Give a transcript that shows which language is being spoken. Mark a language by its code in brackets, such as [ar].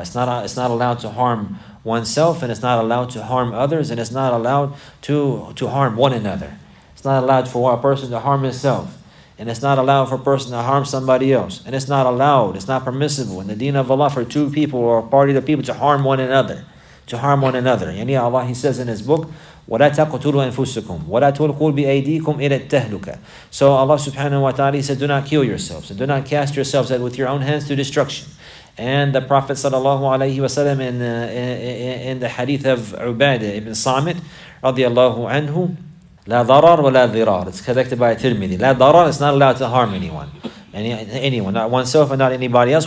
[en] It's not allowed to harm oneself, and it's not allowed to harm others, and it's not allowed to harm one another. It's not allowed for a person to harm himself, and it's not allowed for a person to harm somebody else, and it's not allowed, it's not permissible in the deen of Allah for two people or a party of people to harm one another. Yani Allah, he says in his book, [ar] وَلَا تَقْتُلُوا أَنفُسَكُمْ وَلَا تُلْقُوا بِأَيْدِيكُمْ إِلَى التَّهْلُكَةِ. [en] So Allah subhanahu wa ta'ala, he said, do not kill yourselves, and do not cast yourselves with your own hands to destruction. And the Prophet sallallahu alayhi wa sallam in the hadith of Ubadah ibn Samit radiallahu anhu, [ar] لَا ضَرَرْ وَلَا ضِرَارْ. [en] It's collected by Tirmidhi. لَا ضَرَرْ is not allowed to harm anyone, not oneself and not anybody else.